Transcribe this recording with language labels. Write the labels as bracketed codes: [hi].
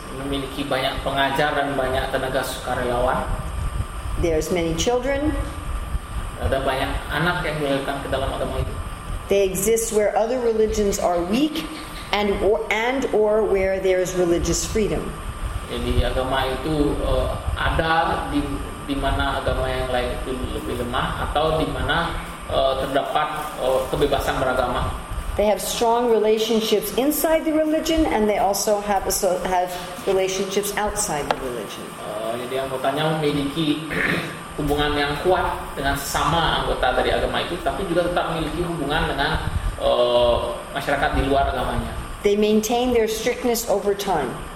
[id] Memiliki banyak pengajar dan banyak tenaga sukarelawan. [en] There's many children. [id] Ada banyak anak yang dilahirkan ke dalam agama itu. [en] They exist where other religions are weak and or where there is religious freedom. [id] Jadi agama itu ada di mana agama yang lain itu lebih lemah atau di mana terdapat kebebasan beragama. [en] They have strong relationships inside the religion, and they also have relationships outside the religion. [id] Jadi anggotanya memiliki hubungan yang kuat dengan sesama anggota dari agama itu, tapi juga tetap memiliki hubungan dengan masyarakat di luar agamanya. [en] They maintain their strictness over time.